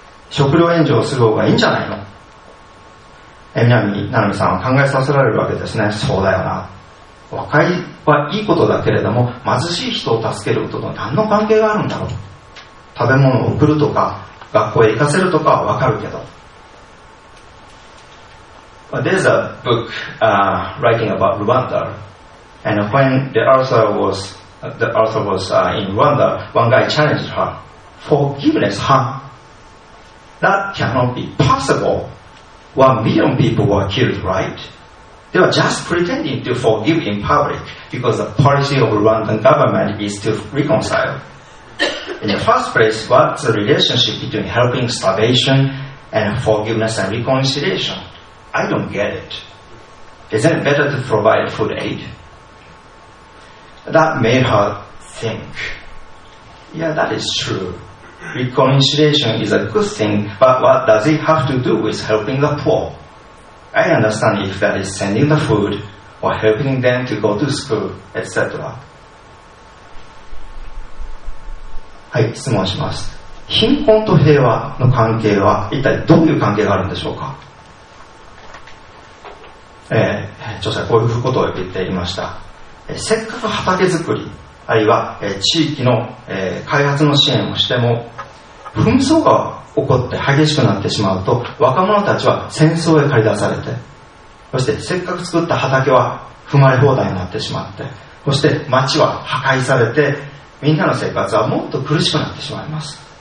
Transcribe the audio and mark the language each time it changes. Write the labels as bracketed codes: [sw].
[ja] 食料援助をする方がいいんじゃないの。南七海さんは考えさせられるわけですね。そうだよな、和解はいいことだけれども、貧しい人を助けることと何の関係があるんだろう。食べ物を送るとか学校へ行かせるとかはわかるけど。 [en] There's a book writing about Rwanda, and when the author was in Rwanda, one guy challenged her, forgiveness, huh? That cannot be possible. 1 million people were killed, right? They were just pretending to forgive in public because the policy of Rwandan government is to reconcile. In the first place, what's the relationship between helping starvation and forgiveness and reconciliation? I don't get it. Isn't it better to provide food aid? That made her think. Yeah, that is true. Reconciliation is a good thing, but what does it have to do with helping the poor? I understand if that is sending the food or helping them to go to school, etc. [ja] はい、質問します。貧困と平和の関係は一体どういう関係があるんでしょうか。著者はこういうことを言っていました。せっかく畑作りあるいは地域の開発の支援をしても紛争が起こって激しくなってしまうと若者たちは戦争へ駆り出されて、そしてせっかく作った畑は踏まれ放題になってしまって、そして町は破壊されて、みんなの生活はもっと苦しくなってしまいます。